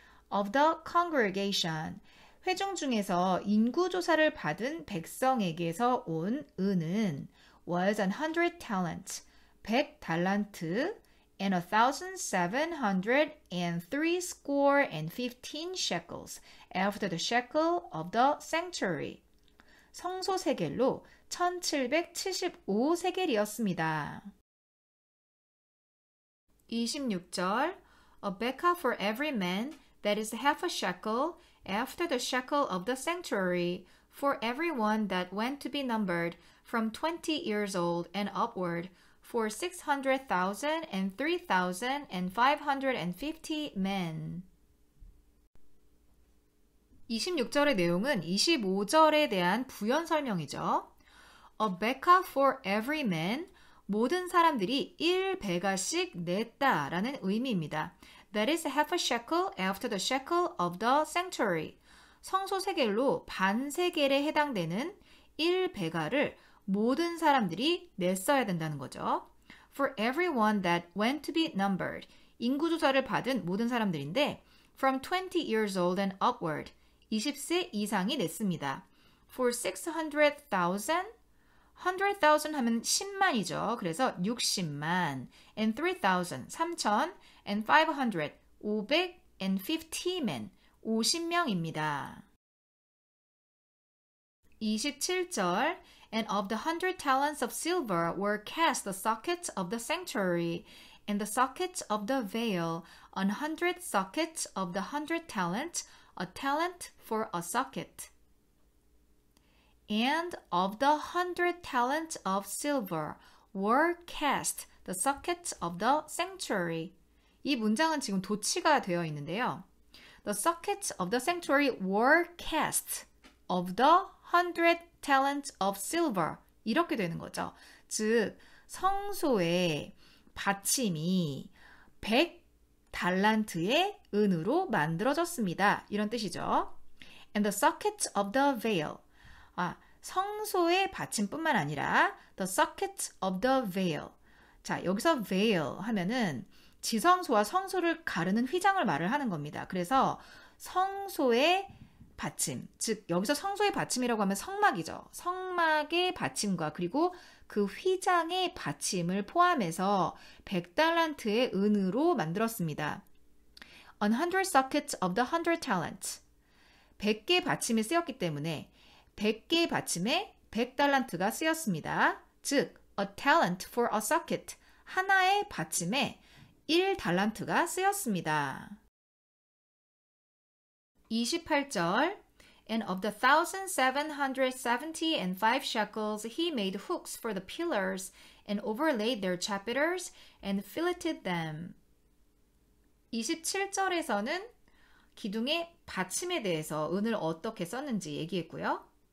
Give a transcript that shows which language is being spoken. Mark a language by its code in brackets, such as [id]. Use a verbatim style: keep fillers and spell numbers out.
[en] Of the congregation, [ko] 회중 중에서 인구조사를 받은 백성에게서 온 은은 [en] was an hundred talents, [ko] 백 달란트 [en] and a thousand seven hundred and three score and fifteen shekels after the shekel of the sanctuary. [ko] 성소 세겔로 천칠백칠십오 세겔이었습니다. 이십육 절 [en] A becca for every man that is half a shekel after the shekel of the sanctuary for everyone that went to be numbered from twenty years old and upward for six hundred thousand and three thousand and five hundred and fifty men. [ko] 이십육 절의 내용은 이십오 절에 대한 부연 설명이죠. [en] A becca for every man, [ko] 모든 사람들이 일 배가씩 냈다 라는 의미입니다. [en] That is half a shekel after the shekel of the sanctuary. [ko] 성소 세겔로 반 세겔에 해당되는 일 배가를 모든 사람들이 냈어야 된다는 거죠. [en] For everyone that went to be numbered, [ko] 인구조사를 받은 모든 사람들인데 [en] from twenty years old and upward, [ko] 이십 세 이상이 냈습니다. [en] For six hundred thousand, one hundred thousand [ko] 하면 십만이죠. 그래서 육십만, [en] and three thousand, 삼천, and five hundred, 오백, and fifty men, [ko] 오십 명입니다. 이십칠 절 [en] And of the hundred talents of silver were cast the sockets of the sanctuary, and the sockets of the veil, an hundred sockets of the hundred talent, a talent for a socket. And of the hundred talents of silver were cast the sockets of the sanctuary. [ko] 이 문장은 지금 도치가 되어 있는데요. [en] The sockets of the sanctuary were cast of the hundred talents of silver [ko] 이렇게 되는 거죠. 즉 성소의 받침이 백 달란트의 은으로 만들어졌습니다. 이런 뜻이죠. [en] And the sockets of the veil. [ko] 아, 성소의 받침뿐만 아니라 [en] the sockets of the veil. [ko] 자, 여기서 veil 하면은 지성소와 성소를 가르는 휘장을 말을 하는 겁니다. 그래서 성소의 받침, 즉 여기서 성소의 받침이라고 하면 성막이죠. 성막의 받침과 그리고 그 휘장의 받침을 포함해서 백 달란트의 은으로 만들었습니다. [en] An hundred sockets of the hundred talents. [ko] 백 개 받침이 쓰였기 때문에 백 개 받침에 백 달란트가 쓰였습니다. [en] 즉, a talent for a socket. [ko] 하나의 받침에 일 달란트가 쓰였습니다. 이십팔 절 [en] And of the thousand seven hundred seventy and five shekels he made hooks for the pillars and overlaid their chapiters and filleted them. [ko] 이십칠 절에서는 기둥의 받침에 대해서 은을 어떻게 썼는지 얘기했고요.